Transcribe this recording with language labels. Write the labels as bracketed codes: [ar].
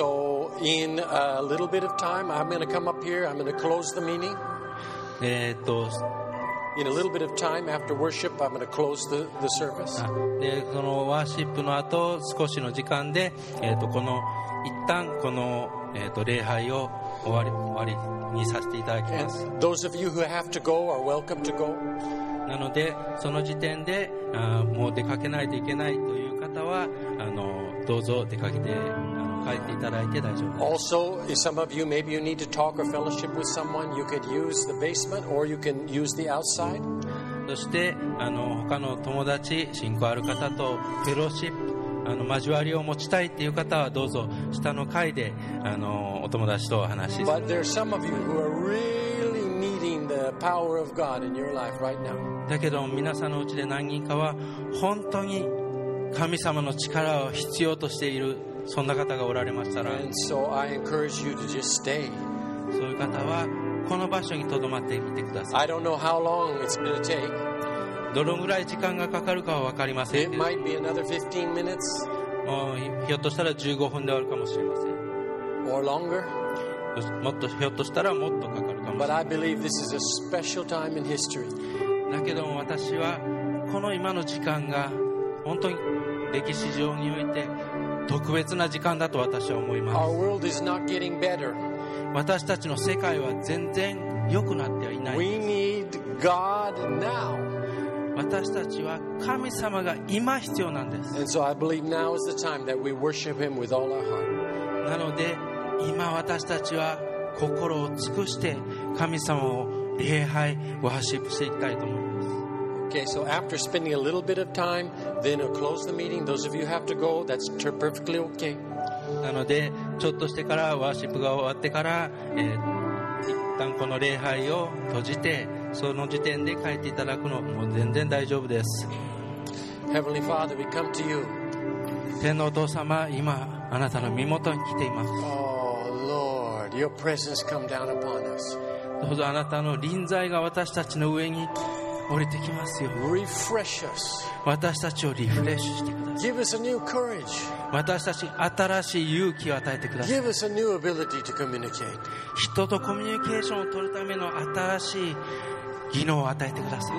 [en] So in a little bit of time, I'm going to come up here. I'm going to close the meeting. In a little bit of time after worship, I'm going to close the service. [ja] で、そのワーシップの後、少しの時間で、この一旦この礼拝を終わりにさせていただきます。 [en] And those of you who have to go are welcome to go. [ja] なのでその時点でもう出かけないといけないという方はどうぞ出かけて帰っていただいて大丈夫です。 [en] Also, some of you maybe you need to talk or fellowship with someone. You could use the basement or you can use the outside. [ja] そして他の友達、信仰ある方とフェローシップ。交わりを持ちたいという方はどうぞ下の階でお友達とお話しします。 [en] But there are some of you who are really needing the power of God in your life right now. [ja] だけど皆さんのうちで何人かは本当に神様の力を必要としている、そんな方がおられましたら、 [en] And so I encourage you to just stay. [ja] そういう方はこの場所にとどまってみてください。 [en] I don't know how long it's going to take. [ja] どのぐらい時間がかかるかは分かりませんけど、 [en] It might be another 15 minutes. [ja] もうひょっとしたら15分で終わるかもしれません。 [en] Or longer. [ja] もっとひょっとしたらもっとかかるかもしれません。 [en] But I believe this is a special time in history. [ja] だけども私はこの今の時間が本当に歴史上において特別な時間だと私は思います。 [en] Our world is not getting better. [ja] 私たちの世界は全然良くなってはいない。 [en] We need God now. [ja] 私たちは神様が今必要なんです。 [en] And so I believe now is the time that we worship Him with all our heart. [ja] なので今私たちは心を尽くして神様を礼拝、ワーシップしていきたいと思います。 [en] Okay, so after spending a little bit of time, then I'll close the meeting. Those of you have to go, that's perfectly okay. [ja] なのでちょっとしてからワーシップが終わってから、一旦この礼拝を閉じて。その時点で帰っていただくのも全然大丈夫です。 [en] Heavenly Father, we come to you. [ja] 天のお父様、今あなたの身元に来ています。 [en] Oh Lord, your presence come down upon us. [ja] どうぞあなたの臨在が私たちの上に降りてきますよ。 [en] Refresh us. [ja] 私たちをリフレッシュしてください。 [en] Give us a new courage. [ja] 私たちに新しい勇気を与えてください。 [en] Give us a new ability to communicate. [ja] 人とコミュニケーションを取るための新しい技能を与えてください。